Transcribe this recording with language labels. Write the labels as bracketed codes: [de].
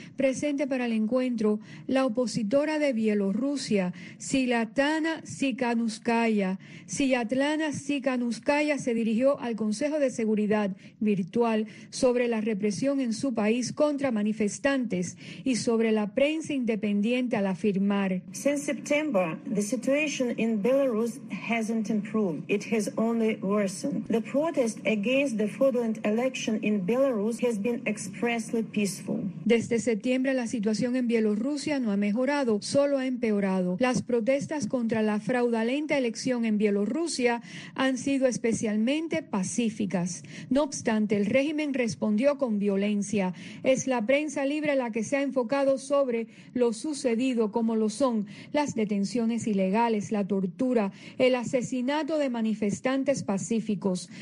[es] Presente para el encuentro, la opositora de Bielorrusia, Svetlana Tsikhanouskaya. Svetlana Tsikhanouskaya se dirigió al Consejo de Seguridad Virtual. virtual sobre la represión en su país contra manifestantes y sobre la prensa independiente al afirmar. [en] Since September, the situation in Belarus hasn't improved. It has only worsened. The protest against the fraudulent election in Belarus has been expressly peaceful. [es] Desde septiembre, la situación en Bielorrusia no ha mejorado, solo ha empeorado. Las protestas contra la fraudulenta elección en Bielorrusia han sido especialmente pacíficas. No obstante, el régimen respondió con violencia. Es la prensa libre la que se ha enfocado sobre lo sucedido, como lo son las detenciones ilegales, la tortura, el asesinato de manifestantes pacíficos.